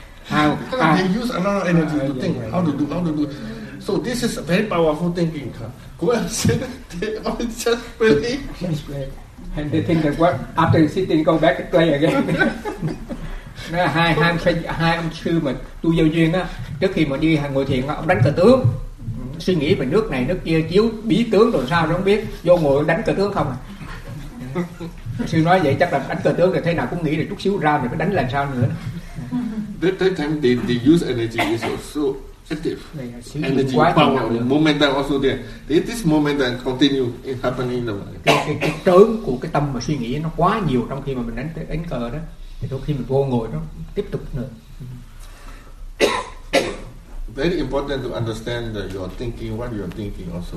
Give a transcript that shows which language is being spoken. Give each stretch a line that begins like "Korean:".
English: They use a lot of energy to think how to do. So this is a very powerful thinking. Go and sit there, or just play. That's great. And they think that what after sitting, go back and play again.
Vietnamese: Nó là hai ông sư mà tu vô duyên á, trước khi mà đi hàng ngồi thiền ông đánh cờ tướng, suy nghĩ về nước này nước kia, chiếu bí tướng rồi sao không biết, vô ngồi đánh cờ tướng không. Sư nói vậy chắc là đánh cờ tướng thì thế nào cũng nghĩ là chút xíu ra thì phải đánh làm sao nữa.
English: That that time they use energy is also active. Energy power momentum also there. This momentum continue in happening in the mind.
Vietnamese: Cái trớn của cái tâm mà suy nghĩ nó quá nhiều trong khi mà mình đánh đánh cờ đó, thì đôi khi mình vô ngồi nó tiếp tục nữa.
English: Very important to understand your thinking, what you're thinking also.